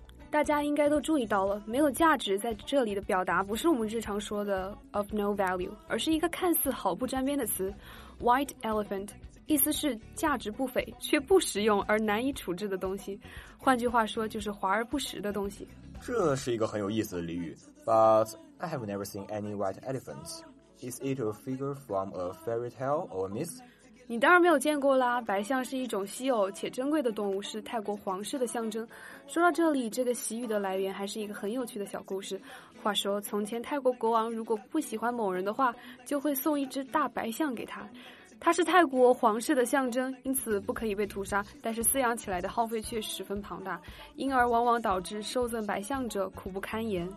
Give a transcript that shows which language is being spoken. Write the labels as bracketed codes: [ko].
[zh] 大家应该都注意到了，没有价值在这里的表达不是我们日常说的 [en] of no value， [zh] 而是一个看似毫不沾边的词 white elephant，意思是价值不菲却不实用而难以处置的东西，换句话说就是华而不实的东西。这是一个很有意思的俚语。 [en] But I have never seen any white elephants. Is it a figure from a fairy tale or a myth? [zh] 你当然没有见过啦，白象是一种稀有且珍贵的动物，是泰国皇室的象征。说到这里，这个习语的来源还是一个很有趣的小故事。话说从前泰国国王如果不喜欢某人的话，就会送一只大白象给他，它是泰国皇室的象征，因此不可以被屠杀，但是饲养起来的耗费却十分庞大，因而往往导致受赠白象者苦不堪言。